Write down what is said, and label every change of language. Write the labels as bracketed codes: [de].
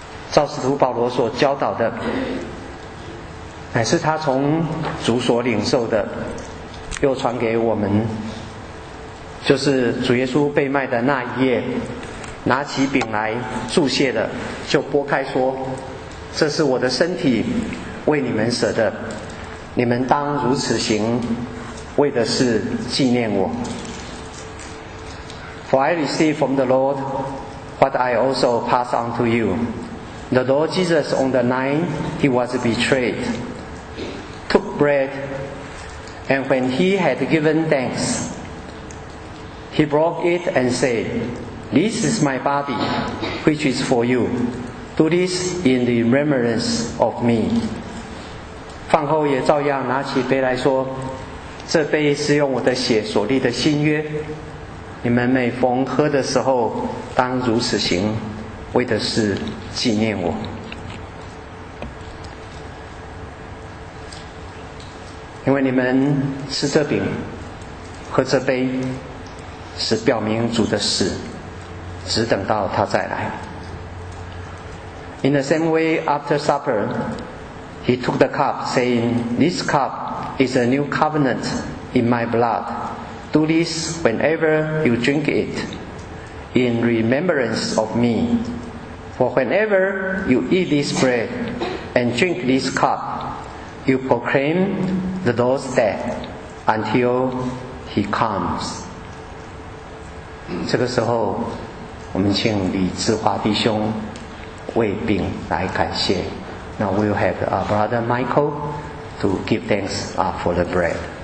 [zh] 照使徒保罗所教导的，乃是他从主所领受的，又传给我们，就是主耶稣被卖的那一夜，拿起饼来祝谢的，就拨开说，这是我的身体，为你们舍的，你们当如此行，为的是纪念我。 [en] For I received from the Lord what I also pass on to youThe Lord Jesus, on the night he was betrayed, took bread, and when he had given thanks, he broke it and said, This is my body, which is for you. Do this in the remembrance of me. [zh] 饭后也照样拿起杯来说，这杯是用我的血所立的新约，你们每逢喝的时候，当如此行。为的是纪念我。因为你们吃这饼喝这杯是表明主的死，只等到他再来。 [en] In the same way, after supper, he took the cup, saying, This cup is a new covenant in my blood. Do this whenever you drink it, in remembrance of me. For whenever you eat this bread and drink this cup, you proclaim the Lord's death until he comes. [zh] 这个时候我们请李志华弟兄为饼来感谢。 [en] Now we'll have our brother Michael to give thanks for the bread.